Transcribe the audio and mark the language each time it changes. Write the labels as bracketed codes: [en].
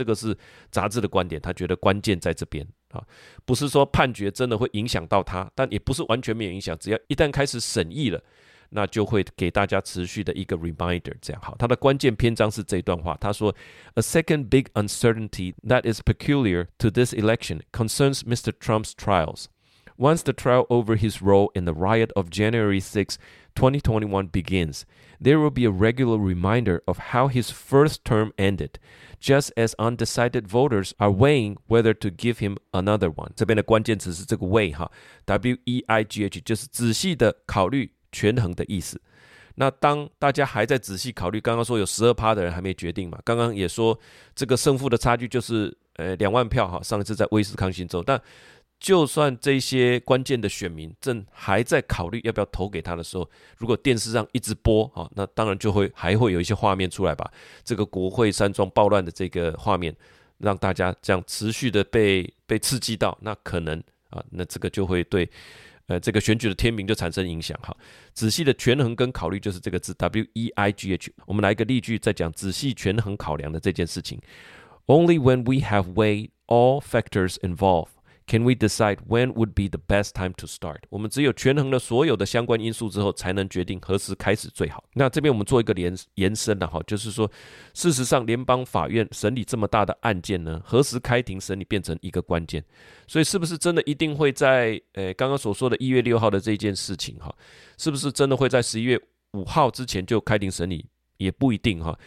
[zh] 这个是杂志的观点，他觉得关键在这边，不是说判决真的会影响到他，但也不是完全没有影响，只要一旦开始审议了，那就会给大家持续的一个 reminder 这样。好，他的关键篇章是这一段话，他说 [en] A second big uncertainty that is peculiar to this election concerns Mr. Trump's trials. Once the trial over his role in the riot of January 6, 2021 begins, there will be a regular reminder of how his first term ended, just as undecided voters are weighing whether to give him another one. [zh] 这边的关键词是这个 weigh, W-E-I-G-H, 就是仔细的考虑权衡的意思。那当大家还在仔细考虑，刚刚说有 12% 的人还没决定嘛，刚刚也说这个胜负的差距就是两万票，上一次在威斯康星州，但就算这些关键的选民正还在考虑要不要投给他的时候，如果电视上一直播，那当然就会还会有一些画面出来吧，这个国会山庄暴乱的这个画面让大家这样持续的 被刺激到，那可能那这个就会对这个选举的天平就产生影响。好，仔细的权衡跟考虑就是这个字 W-E-I-G-H。我们来一个例句再讲仔细权衡考量的这件事情。 [en] Only when we have weighed all factors involved can we decide when would be the best time to start. [zh] 我们只有权衡了所有的相关因素之后，才能决定何时开始最好。那这边我们做一个延伸的，就是说事实上联邦法院审理这么大的案件呢，何时开庭审理变成一个关键。所以是不是真的一定会在刚刚所说的1月6号的这件事情，是不是真的会在11月5号之前就开庭审理，也不一定。